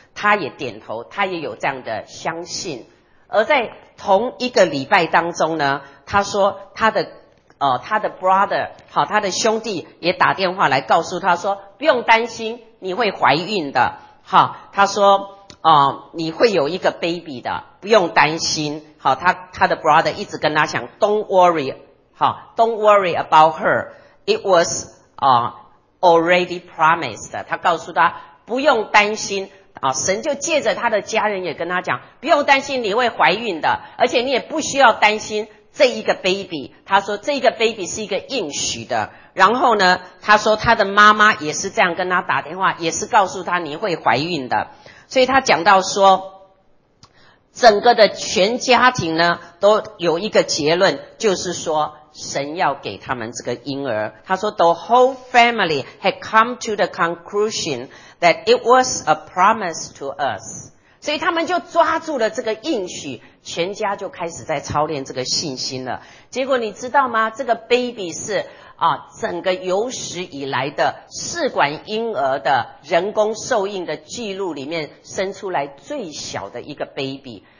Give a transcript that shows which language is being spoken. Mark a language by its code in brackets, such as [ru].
[zh] 他也点头，他也有这样的相信。而在同一个礼拜当中呢，他说他的 brother， 好，他的兄弟也打电话来告诉他说，不用担心，你会怀孕的。好，他说你会有一个 baby 的，不用担心。好，他的 brother 一直跟他讲 [en] don't worry about her， it was already promised。 [zh] 他告诉他不用担心，啊，神就借着他的家人也跟他讲，不用担心你会怀孕的，而且你也不需要担心这一个 baby， 他说这个 baby 是一个应许的。然后呢，他说他的妈妈也是这样跟他打电话，也是告诉他你会怀孕的。所以他讲到说，整个的全家庭呢，都有一个结论，就是说神要给他们这个婴儿。他说 [en] ，the whole family had come to the conclusion that it was a promise to us。 [zh] 所以他们就抓住了这个应许，全家就开始在操练这个信心了。结果你知道吗？这个 baby 是啊，整个有史以来的试管婴儿的人工受孕的记录里面生出来最小的一个 baby。